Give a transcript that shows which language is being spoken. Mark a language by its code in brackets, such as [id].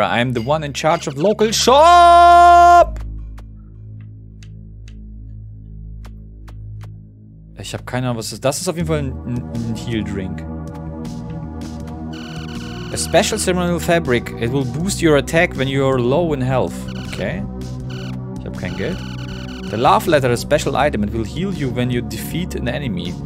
[en] I'm the one in charge of local shop! [de] Ich hab keine Ahnung, was ist. Das ist auf jeden Fall ein Heal Drink. [en] A special ceremonial fabric. It will boost your attack when you are low in health. Okay. [de] Ich hab kein Geld. [en] The love letter, a special item. It will heal you when you defeat an enemy.